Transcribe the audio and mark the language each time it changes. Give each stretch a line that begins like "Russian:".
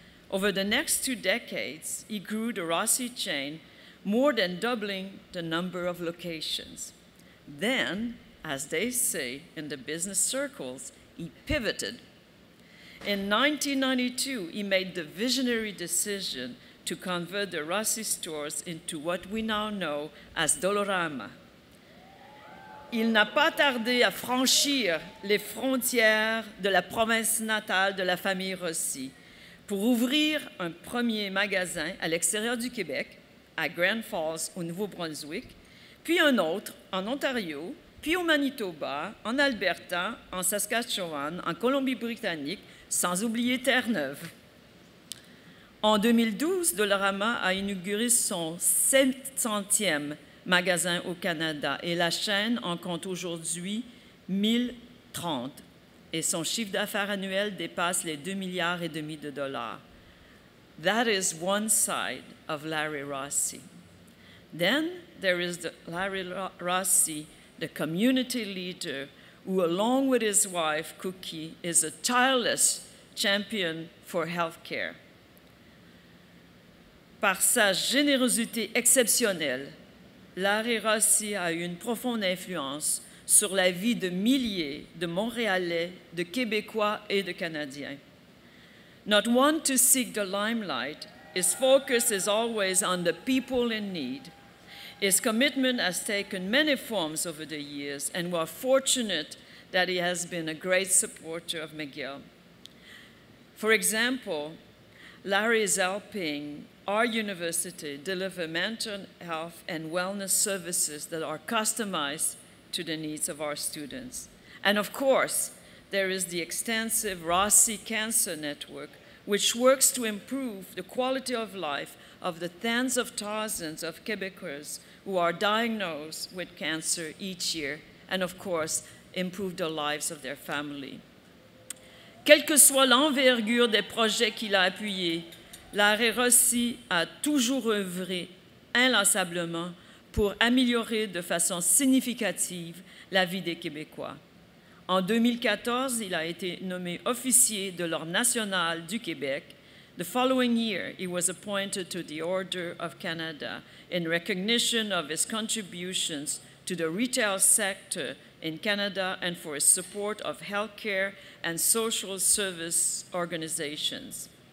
English: Over the next two decades, he grew the Rossi chain, more than doubling the number of locations. Then, as they say in the business circles, he pivoted. In 1992, he made the visionary decision to convert the Rossi stores into what we now know as Dollarama.
French: Il n'a pas tardé à franchir les frontières de la province natale de la famille Rossi pour ouvrir un premier magasin à l'extérieur du Québec, à Grand Falls, au Nouveau-Brunswick, puis un autre en Ontario, puis au Manitoba, en Alberta, en Saskatchewan, en Colombie-Britannique, sans oublier Terre-Neuve. En 2012, Dollarama a inauguré son 700e magasin au Canada et la chaîne en compte aujourd'hui 1030 et son chiffre d'affaires annuel dépasse les 2,5 milliards de dollars.
English: That is one side of Larry Rossi. Then there is the Larry Rossi, the community leader, who along with his wife, Cookie, is a tireless champion for healthcare.
French: Par sa générosité exceptionnelle, Larry Rossi a eu une profonde influence sur la vie de milliers de Montréalais, de Québécois et de Canadiens.
English: Not one to seek the limelight, his focus is always on the people in need. His commitment has taken many forms over the years, and we are fortunate that he has been a great supporter of McGill. For example, Larry is helping our university deliver mental health and wellness services that are customized to the needs of our students. And of course, there is the extensive Rossi Cancer Network, which works to improve the quality of life of the tens of thousands of Quebecers who are diagnosed with cancer each year, and of course, improve the lives of their family.
French: Quelle que soit l'envergure des projets qu'il a appuyés, Larry Rossi a toujours œuvré inlassablement pour améliorer de façon significative la vie des Québécois. En 2014, il a été nommé officier de l'Ordre national du Québec.
English: The following year, he was appointed to the Order of Canada in recognition of his contributions to the retail sector in Canada and for his support of healthcare and social service organizations.